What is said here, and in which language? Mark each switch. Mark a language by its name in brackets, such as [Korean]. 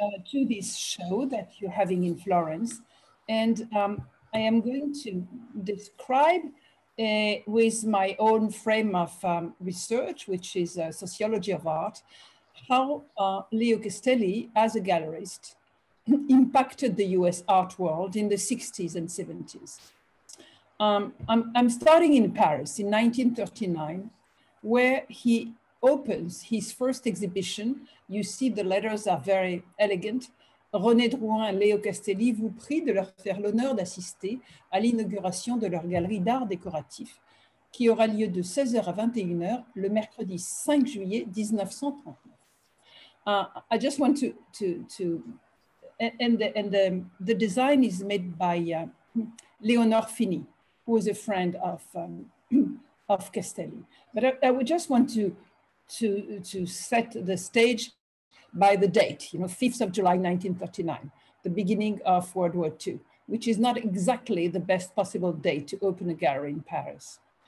[English] to this show that you're having in Florence. And I am going to describe with my own frame of research, which is sociology of art, how Leo Castelli, as a gallerist, impacted the US art world in the 60s and 70s. I'm starting in Paris in 1939, where he opens his first exhibition. You see the letters are very elegant. [French] René Drouin et Léo Castelli vous prient de leur faire l'honneur d'assister à l'inauguration de leur galerie d'art décoratif, qui aura lieu de 16h à 21h le mercredi 5 juillet 1939. [English] I just want to the design is made by Leonore Fini, who is a friend of Castelli. But I would just want to set the stage by the date, you know, 5th of July, 1939, the beginning of World War II, which is not exactly the best possible date to open a gallery in Paris.